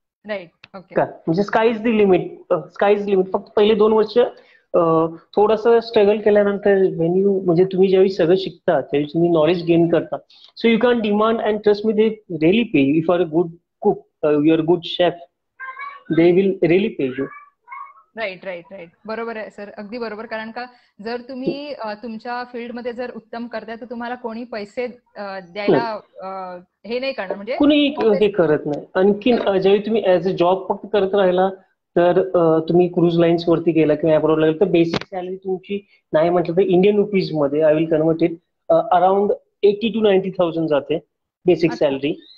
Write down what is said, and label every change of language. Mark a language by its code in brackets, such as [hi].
[mr] म्हणजे [en] Sky is the limit. Sky is limit, [mr] फक्त पहिले 2 वर्ष थोडस स्ट्रगल केल्यानंतर [en] when you [mr] म्हणजे तुम्ही ज्यावेळी सगळं शिकता त्यावेळी तुम्ही नॉलेज गेन करता. [en] So you can demand and trust me they really pay if are a good cook. you're a good chef, they will really pay you. [mr] Right बरोबर आहे सर, अगदी बरोबर. कारण का जर तुम्ही तुमच्या फील्डमध्ये जर उत्तम करताय तर तुम्हाला कोणी पैसे द्यायला हे नाही करणार, म्हणजे कोणी हे करत नाही. आणखीन जेव्हा तुम्ही ऍज अ जॉब फक्त करत राहिला तर तुम्ही क्रूज लाईन्स वरती गेला किंवा अब्रॉड लागेल तर बेसिक सॅलरी तुमची नाही म्हटलं तर इंडियन रुपीज मध्ये [en] I will convert it [mr] around 80 to 90,000 जाते बेसिक सॅलरी.